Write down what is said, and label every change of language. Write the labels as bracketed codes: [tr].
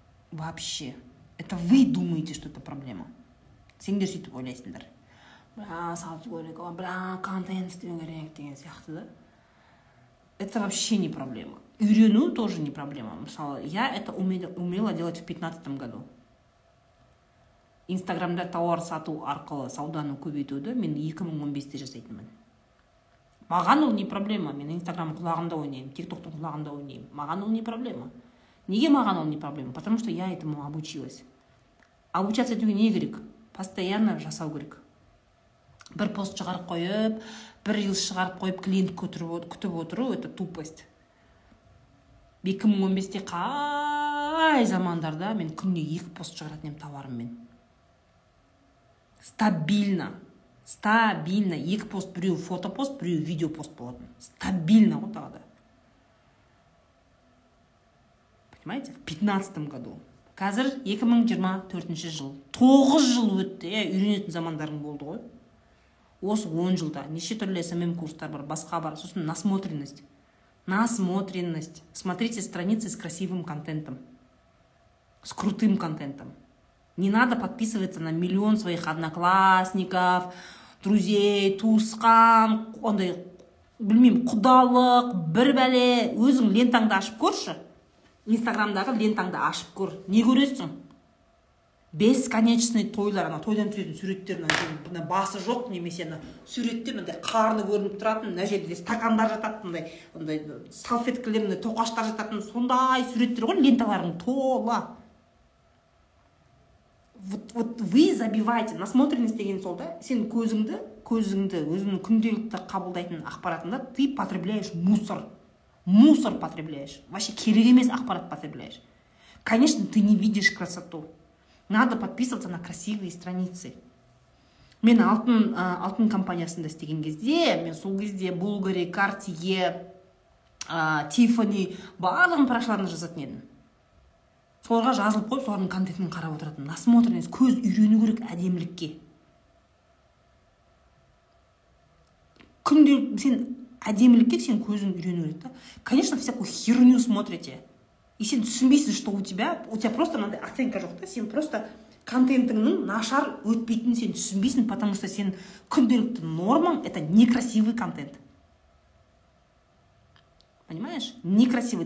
[ru] Вообще. Это вы думаете, что это проблема. [kk] Сендер сөйтіп ойлайсыңдар. Сату керек, контент істеу керек деген сияқты. [ru] Это вообще не проблема. [kk] Үйрену [ru] тоже не проблема. [kk] Мысалы, [ru] я это умела делать в 15 году. [kk] Инстаграмда тауар сату арқылы сауданы көбейтуді мен 2015-те жасайтынмын. Маған ол [ru] не проблема. [kk] Мен Инстаграм құлағында ойнаймын, ТикТоктың құлағында ойнаймын. Маған ол [ru] не проблема. [kk] Неге маған ол не проблема? [ru] Потому что я этому обучилась. Обучаться [kk] етуге не керек? Постоянно жасау керек. Бір пост шығарып қойып, бір рил шығарып қойып, клиент күтіп отыру, [ru] это тупость. [kk] 2015-те қай замандарда мен күнде 2 пост шығаратын едім товарыммен. Стабильно. Стабильно. 2 пост, біреу фотопост, біреу видеопост болатын. [ru] Стабильно вот [kk] тағы да. [ru] Понимаете? В 15-м году. [kk] Қазір 2024 жыл. 9 жыл өтті. Үйренетін замандарың болды ғой. Осы 10 жылда. Неше түрлі SMM курстар бар, басқа бар. [ru] Сосын насмотренность. Насмотренность. Смотрите страницы с красивым контентом. С крутым контентом. Не надо подписываться на миллион своих одноклассников, друзей, [kk] туысқан, ондай, білмеймін, құдалық, бір бәле. Өзің лентаңды ашып көрші. Инстаграмдағы лентаңды ашып көр. Не көресің? Бесконечный тойлар, ана тойдан түсетін суреттерінен мына басы жоқ немесе ана суреттер мында қарны көрініп тұратын, мына жерде стакандар жататын, мындай, ондай салфеткілер, мындай тоқаштар жататын сондай суреттер ғой ленталарың тола. [ru] Вот вы забиваете насмотренность [kk] деген сол да, сен көзіңді, өзіңнің күнделікті қабылдайтын ақпаратында [ru] ты потребляешь мусор. Мусор потребляешь. Вообще [kk] керек емес ақпарат [ru] потребляешь. Конечно, ты не видишь красоту. Надо подписываться на красивые страницы. [kk] Мен алтын компаниясында істеген кезде, мен сол кезде Bulgari, Cartier, Tiffany барлығын парақшаларына жазатын едім. Соларға жазылып қойып, солардың контентін қарап отыратын. Насмотренность, көз үйрену керек әдемілікке. Күнде сен әдемілікке сен көзің үйрену керек та. [ru] Конечно, всякую херню смотрите. [kk] И сен түсінбейсің, [ru] что у тебя просто [kk] мынандай оценка жоқ та. Сен [ru] просто [kk] контентіңнің нашар өтпейтінін сен түсінбейсің, [ru] потому что [kk] сен күнделікті нормаң [ru] это некрасивый контент. Понимаешь? Некрасивый.